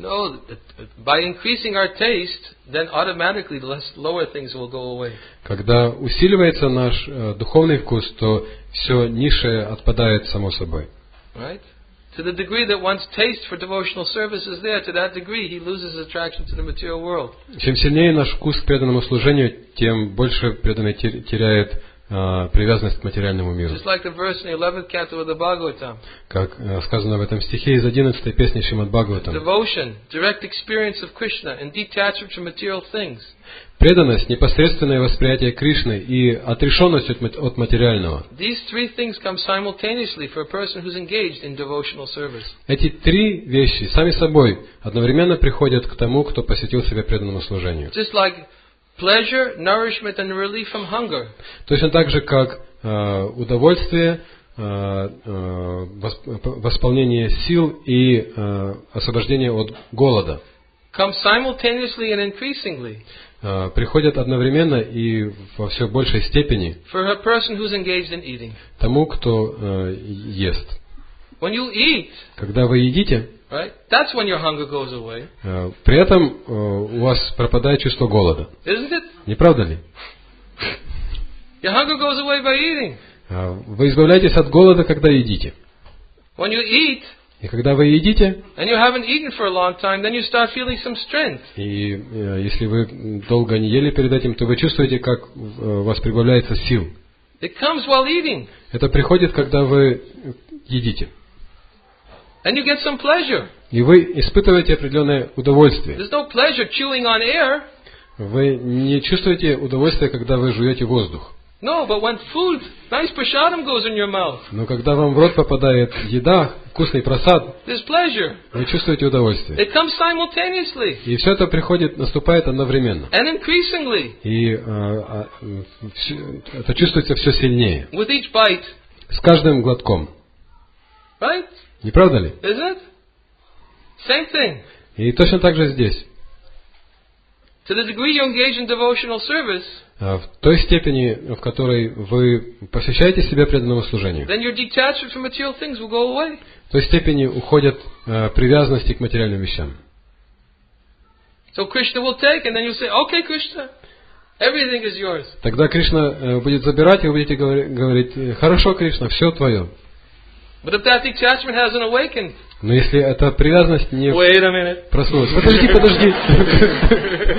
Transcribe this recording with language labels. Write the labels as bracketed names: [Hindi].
[English] No, by increasing our taste, then automatically the lower things will go away. [Russian] Когда усиливается наш духовный вкус, то все низшее отпадает само собой. [English] Right? To the degree that one's taste for devotional service is there, to that degree he loses his attraction to the material world. [Russian] Чем сильнее наш вкус к преданному служению, тем больше преданный теряет привязанность к материальному миру. [English] Just like the verse in the 11th canto of the Bhagavatam. [Russian] Как сказано в этом стихе из 11-й песни Шримад-Бхагаватам. [English] Devotion, direct experience of Krishna and detachment from material things. [Russian] Преданность, непосредственное восприятие Кришны и отрешенность от материального. [English] These three things come simultaneously for a person who's engaged in devotional service. [Russian] Эти три вещи сами собой одновременно приходят к тому, кто посвятил себя преданному служению. [English] Just like pleasure, nourishment, and relief from hunger. [Russian] Точно так же, как удовольствие, восполнение сил и освобождение от голода. [English] Come simultaneously and increasingly. [Russian] Приходят одновременно и во все большей степени. [English] For a person who's engaged in eating. [Russian] Тому, кто ест. [English] When you eat. [Russian] Когда вы едите. [English] Right? That's when your hunger goes away. [Russian] При этом у вас пропадает чувство голода. [English] Isn't it? [Russian] Не правда ли? [English] Your hunger goes away by eating. [Russian] Вы избавляетесь от голода, когда едите. [English] When you eat. [Russian] И когда вы едите. [English] And you haven't eaten for a long time, then you start feeling some strength. [Russian] И если вы долго не ели перед этим, то вы чувствуете, как у вас прибавляется сил. [English] It comes while eating. [Russian] Это приходит, когда вы едите. [English] And you get some pleasure. [Russian] И вы испытываете определенное удовольствие. [English] There's no pleasure chewing on air. [Russian] Вы не чувствуете удовольствия, когда вы жуете воздух. [English] No, but when food, nice prasadam goes in your mouth. [Russian] Но когда вам в рот попадает еда, вкусный просад. [English] There's pleasure. [Russian] Вы чувствуете удовольствие. [English] It comes simultaneously. [Russian] И все это приходит, наступает одновременно. [English] And increasingly. [Russian] И это чувствуется все сильнее. [English] With each bite. [Russian] С каждым глотком. [English] Right? [Russian] Не правда ли? [English] Is it? Same thing. [Russian] И точно так же здесь. [English] To the degree you engage in devotional service, [Russian] в той степени, в которой вы посвящаете себя преданному служению, [English] then your detachment from material things will go away. [Russian] В той степени уходят привязанности к материальным вещам. [English] So Krishna will take, and then you say, "Okay, Krishna, everything is yours." [Russian] Тогда Кришна будет забирать, и вы будете говорить: "Хорошо, Кришна, все твое." [English] But if that detachment hasn't awakened, [Russian] но если эта привязанность не [English] wait a minute. [Russian] Проснулась, подожди, подожди.